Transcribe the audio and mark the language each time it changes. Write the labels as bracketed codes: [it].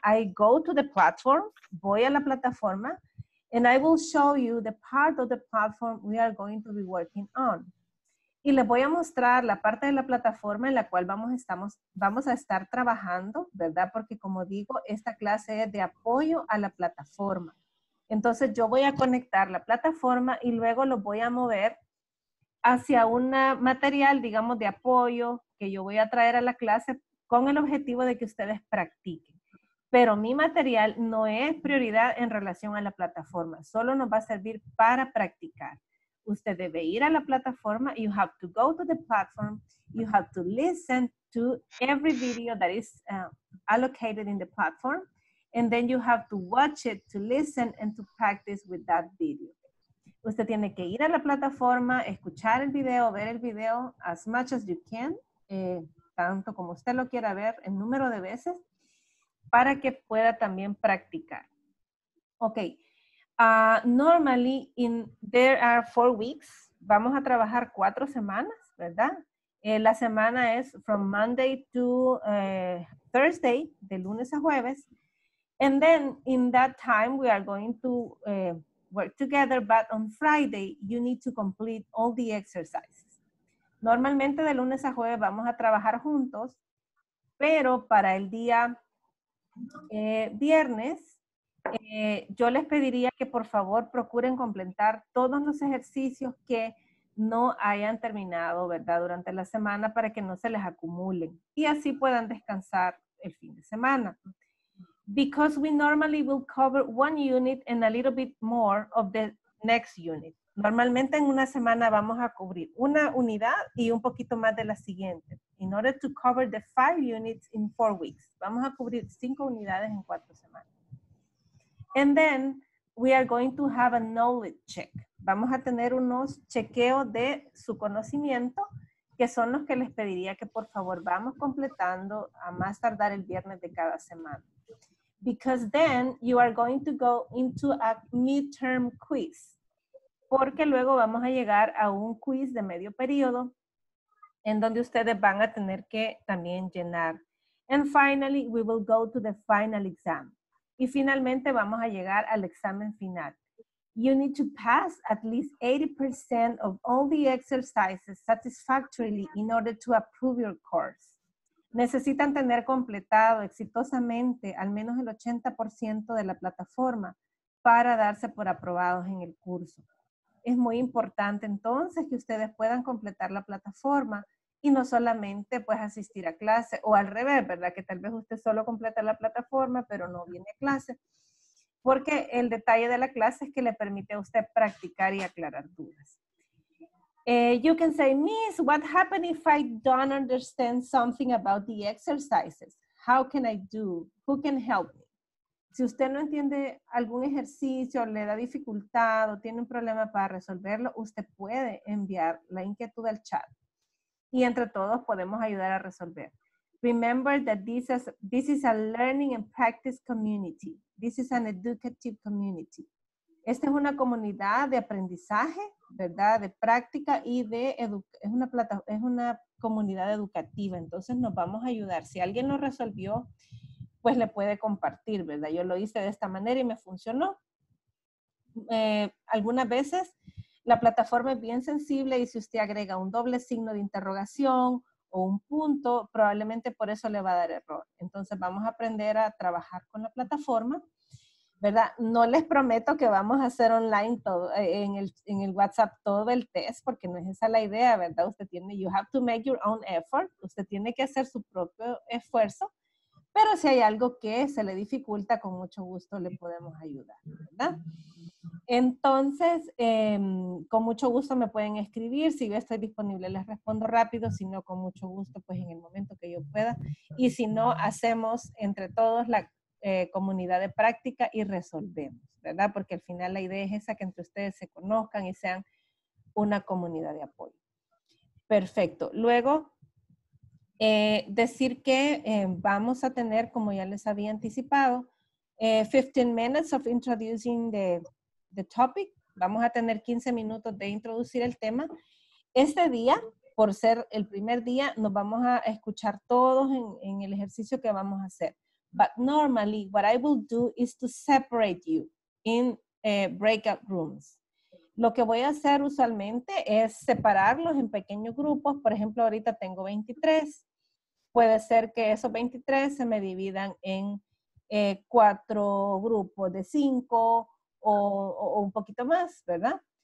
[en] I go to the platform, [es] voy a la plataforma, [en] and I will show you the part of the platform we are going to be working on. [es] Y les voy a mostrar la parte de la plataforma en la cual vamos a estar trabajando, ¿verdad? Porque como digo, esta clase es de apoyo a la plataforma. Entonces yo voy a conectar la plataforma y luego lo voy a mover hacia un material, digamos, de apoyo que yo voy a traer a la clase con el objetivo de que ustedes practiquen. Pero mi material no es prioridad en relación a la plataforma, solo nos va a servir para practicar. Usted debe ir a la plataforma. [en] You have to go to the platform. You have to listen to every video that is allocated in the platform. And then you have to watch it, to listen, and to practice with that video. [es] Usted tiene que ir a la plataforma, escuchar el video, ver el video [en] as much as you can, [es] tanto como usted lo quiera ver, el número de veces, para que pueda también practicar. Okay. [en] Normally, there are 4 weeks. [es] Vamos a trabajar 4 semanas, ¿verdad? La semana es [en] from Monday to Thursday, [es] de lunes a jueves. [en] And then, in that time, we are going to work together. But on Friday, you need to complete all the exercises. [es] Normalmente, de lunes a jueves, vamos a trabajar juntos. Pero para el día viernes, yo les pediría que por favor procuren completar todos los ejercicios que no hayan terminado, ¿verdad? Durante la semana para que no se les acumulen y así puedan descansar el fin de semana. [en] Because we normally will cover one unit and a little bit more of the next unit. [es] Normalmente en una semana vamos a cubrir una unidad y un poquito más de la siguiente. [en] In order to cover the 5 units in 4 weeks. [es] Vamos a cubrir 5 unidades en 4 semanas. [en] And then we are going to have a knowledge check. [es] Vamos a tener unos chequeos de su conocimiento, que son los que les pediría que por favor vamos completando a más tardar el viernes de cada semana. [en] Because then you are going to go into a midterm quiz. [es] Porque luego vamos a llegar a un quiz de medio periodo en donde ustedes van a tener que también llenar. [en] And finally, we will go to the final exam. [es] Y finalmente vamos a llegar al examen final. [en] You need to pass at least 80% of all the exercises satisfactorily in order to approve your course. [es] Necesitan tener completado exitosamente al menos el 80% de la plataforma para darse por aprobados en el curso. Es muy importante entonces que ustedes puedan completar la plataforma y no solamente pues asistir a clase o al revés, ¿verdad? Que tal vez usted solo completa la plataforma pero no viene a clase. Porque el detalle de la clase es que le permite a usted practicar y aclarar dudas. [en] You can say, Miss, what happens if I don't understand something about the exercises? How can I do? Who can help me? [es] Si usted no entiende algún ejercicio, le da dificultad o tiene un problema para resolverlo, usted puede enviar la inquietud al chat. Y entre todos podemos ayudar a resolver. [en] Remember that this is a learning and practice community. This is an educative community. [es] Esta es una comunidad de aprendizaje, ¿verdad? De práctica y de es una comunidad educativa. Entonces nos vamos a ayudar. Si alguien lo resolvió, pues le puede compartir, ¿verdad? Yo lo hice de esta manera y me funcionó. Algunas veces la plataforma es bien sensible y si usted agrega un doble signo de interrogación o un punto, probablemente por eso le va a dar error. Entonces vamos a aprender a trabajar con la plataforma, ¿verdad? No les prometo que vamos a hacer online todo, en el WhatsApp todo el test, porque no es esa la idea, ¿verdad? Usted tiene, [en] you have to make your own effort. [es] Usted tiene que hacer su propio esfuerzo. Pero si hay algo que se le dificulta, con mucho gusto le podemos ayudar, ¿verdad? Entonces, con mucho gusto me pueden escribir. Si yo estoy disponible, les respondo rápido. Si no, con mucho gusto, pues en el momento que yo pueda. Y si no, hacemos entre todos la comunidad de práctica y resolvemos, ¿verdad? Porque al final la idea es esa, que entre ustedes se conozcan y sean una comunidad de apoyo. Perfecto. Luego, decir que vamos a tener, como ya les había anticipado, [en] 15 minutes of introducing the topic. [es] Vamos a tener 15 minutos de introducir el tema. Este día, por ser el primer día, nos vamos a escuchar todos en el ejercicio que vamos a hacer. [en] But normally, what I will do is to separate you in breakout rooms. [es] Lo que voy a hacer usualmente es separarlos en pequeños grupos. Por ejemplo, ahorita tengo 23. Puede ser que esos 23 se me dividan en cuatro grupos de 5 o un poquito más, ¿verdad?